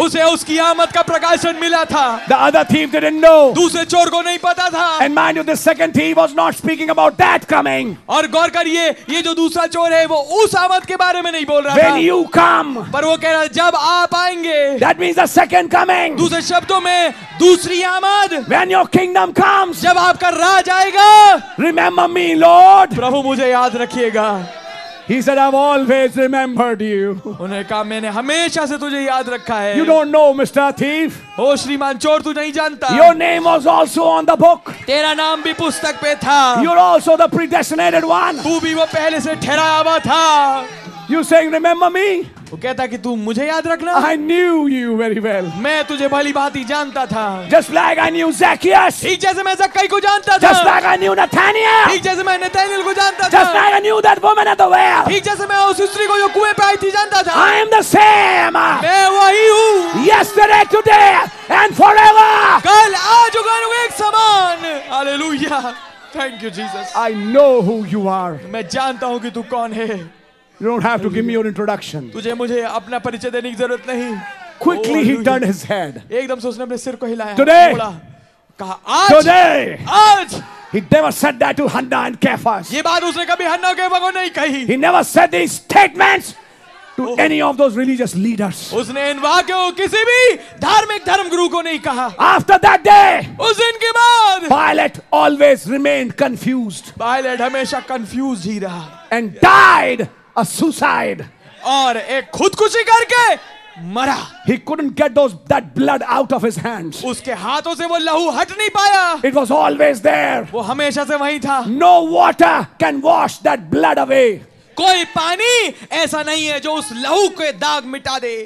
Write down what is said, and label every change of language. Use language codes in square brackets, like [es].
[hi] उसे उसकी आमद का प्रकाशन मिला था. [en] The other thief didn't know. [hi] दूसरे चोर को नहीं पता था. [en] And mind you, the second thief was not speaking about that coming. [hi] और गौर करिए, ये जो दूसरा चोर है वो उस आमद के बारे में नहीं बोल रहा था. [en] When you come. [hi] पर वो कह रहा, जब आप आएंगे. [en] That means the second coming. [hi] दूसरे शब्दों में दूसरी आमद. [en] When your kingdom comes, [hi] जब आपका राज आएगा, [en] remember me, Lord. [hi] प्रभु मुझे याद रखिएगा. [en] He said, "I've always remembered you." [hi] उन्हें कहा, मैंने हमेशा से तुझे याद रखा है. [en] You don't know, Mr. Thief. [hi] ओ श्रीमान चोर, तू नहीं जानता. [en] Your name was also on the book. [hi] तेरा नाम भी पुस्तक पे था. [en] You're also the predestinated one. [hi] तू भी वो पहले से ठहराया हुआ था. [en] You saying, "Remember me." [hi] वो कहता कि तू मुझे याद रखना. [en] I knew you very well. [hi] मैं तुझे भली भांति जानता था. [en] Just like I knew Zacchaeus. [hi] ठीक जैसे मैं ज़कई को जानता था. [en] Just like I knew Nathaniel. [hi] ठीक जैसे मैं नथानिएल को जानता था. [en] Just like I knew that woman at the well. [hi] ठीक जैसे मैं उस स्त्री को जो कुएं पे आई थी जानता था. [en] I am the same. [hi] मैं वही हूँ. [en] Yesterday, today, and forever. [hi] कल आज और कल एक समान. [en] Hallelujah. Thank you, Jesus. I know who you are. [hi] मैं जानता हूँ कि तू कौन है. [en] You don't have to give me your introduction. [hi] तुझे मुझे अपना परिचय देने की जरूरत नहीं. [en] Quickly he turned his head. [hi] एकदम से उसने अपने सिर को हिलाया. [en] Today, [hi] कहा, आज, [en] today, [hi] आज, [en] He never said that to Hanna and Caiaphas. [hi] ये बात उसने कभी हन्ना और कैफा को नहीं कही. [en] He never said these statements to any of those religious leaders. [hi] उसने इन वाक्यों को किसी भी धार्मिक धर्मगुरु को नहीं कहा. [en] After that day, [hi] उस दिन के बाद, [en] Pilate always remained confused. [hi] Pilate हमेशा confused ही रहा. [en] And died a suicide. [hi] और एक खुदकुशी करके मरा. [en] He couldn't get that blood out of his hands. [hi] उसके हाथों से वो लहू हट नहीं पाया. [en] It was always there. [hi] वो हमेशा से वहीं था. [en] No water can wash that blood away. [hi] कोई पानी ऐसा नहीं है जो उस लहू के दाग मिटा दे.